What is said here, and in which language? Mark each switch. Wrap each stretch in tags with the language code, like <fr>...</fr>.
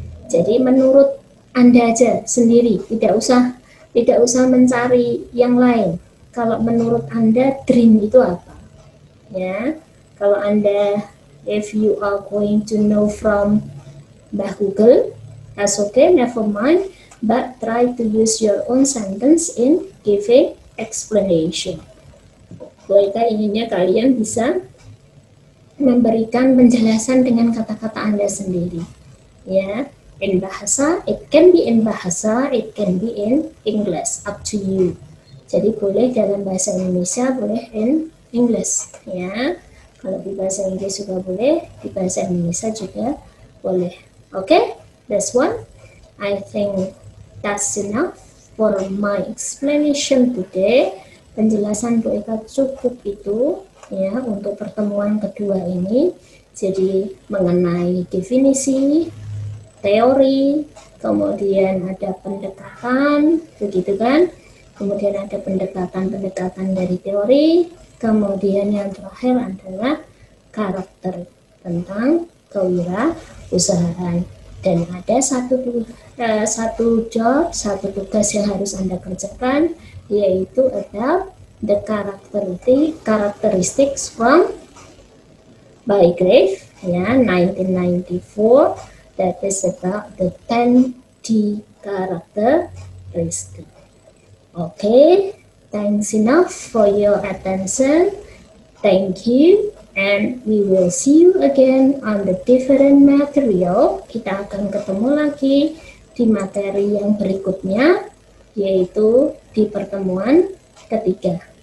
<id>Jadi menurut Anda aja sendiri, tidak usah mencari yang lain. Kalau menurut Anda dream itu apa? Ya. Yeah. Kalau Anda</id> <en>if you are going to know from Mbah Google, that's okay, never mind, but try to use your own sentence in giving explanation.</en> <id>Boleh inginnya kalian bisa memberikan penjelasan dengan kata-kata Anda sendiri.</id> <en>Ya, yeah. In bahasa, it can be in bahasa, it can be in English, up to you.</en> <id>Jadi boleh dalam bahasa Indonesia, boleh</id> <en>in English. Ya, yeah.</en> <id>Kalau di bahasa Inggris juga boleh, di bahasa Indonesia juga boleh. Oke? Okay?</id> <en>This one, I think that's enough for my explanation today.</en> <id>Penjelasan Bu Eka cukup itu ya untuk pertemuan kedua ini. Jadi mengenai definisi, teori, kemudian ada pendekatan, begitu kan? Kemudian ada pendekatan-pendekatan dari teori. Kemudian yang terakhir adalah karakter tentang kewirausahaan. Dan ada satu tugas yang harus Anda kerjakan, yaitu</id> <en>adapt the characteristics from Bygrave,</en> <id>ya, 1994,</id> <en>that is about the 10D characteristic. Okay, thanks enough for your attention. Thank you. And we will see you again on the different material.</en> <id>Kita akan ketemu lagi di materi yang berikutnya, yaitu di pertemuan ketiga.</id>